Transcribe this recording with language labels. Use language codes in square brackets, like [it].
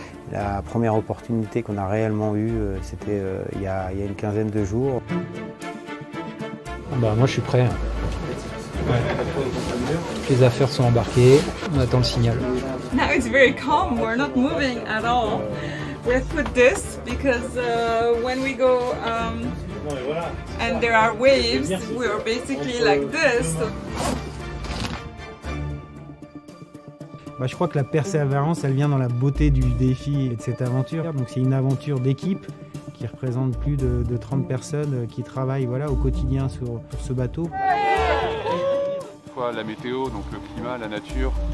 [fr] La première opportunité qu'on a réellement eue, c'était il y a une quinzaine de jours. Ah bah, moi je suis prêt. Ouais. Les affaires sont embarquées, on attend le signal. [en] Now it's very calm, we're not moving at all. We have put this because when we go and there are waves, we are basically like this. [fr] Bah, je crois que la persévérance, elle vient dans la beauté du défi et de cette aventure. Donc, c'est une aventure d'équipe qui représente plus de 30 personnes qui travaillent voilà, au quotidien sur ce bateau. Une fois la météo, donc le climat, la nature,